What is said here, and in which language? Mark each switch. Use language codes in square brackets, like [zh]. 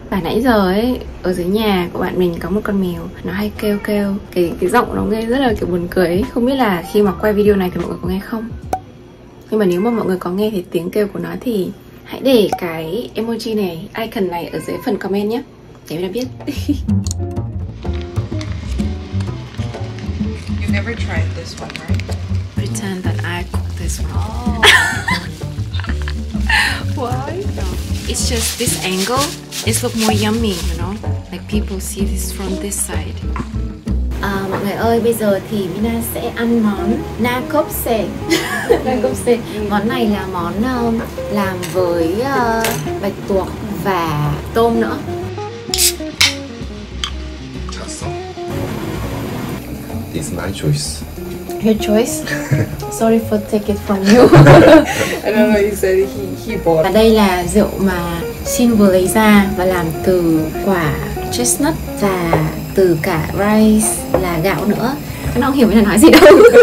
[vi] Và nãy giờ ấy, ở dưới nhà của bạn mình có một con mèo, nó hay kêu. Cái giọng nó nghe rất là kiểu buồn cười ấy. Không biết là khi mà quay video này thì mọi người có nghe không, nhưng mà nếu mà mọi người có nghe thấy tiếng kêu của nó thì hãy để cái emoji này, icon này ở dưới phần comment nhé, để mình biết. [en] You've never tried this one, right? Pretend that I cooked this one. Oh. Why? It's just this angle, it's look more yummy, you know? Like people see this from this side. [vi] Mọi người ơi, bây giờ thì Mina sẽ ăn món nakopse. Nakopse. Món này là món làm với bạch tuộc và tôm nữa. [en] It's my choice. Your choice? Sorry for take it from you. I don't know what you said, he bought. [vi] Và đây là rượu mà Shin vừa lấy ra và làm từ quả chestnut và từ cả rice là gạo nữa. Nó không hiểu mình nói gì đâu.